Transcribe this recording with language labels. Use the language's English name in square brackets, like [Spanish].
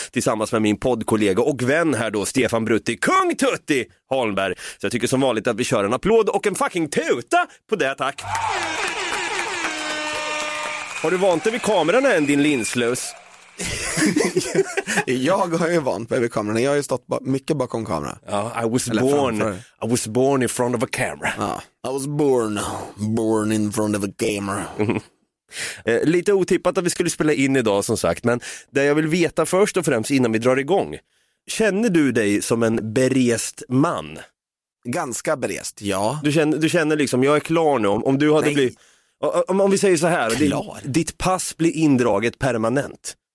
[Swedish] Tillsammans med min poddkollega och vän här då, Stefan Brutti, Kung Tutti Holmberg. Så jag tycker som vanligt att vi kör en applåd och en fucking tuta på det, tack. Har du vant dig vid kameran än, din linslös? Jag har ju vant mig vid kameran. Jag har ju stått mycket bakom kameran. [English] I was born in front of a camera. I was born in front of a camera. [Swedish] Lite otippat att vi skulle spela in idag, som sagt. Men det jag vill veta först och främst innan vi drar igång, känner du dig som en berest man? Ganska berest, ja. Du känner liksom, jag är klar nu. Om du hade blivit, om vi säger så här, ditt pass blir indraget permanent.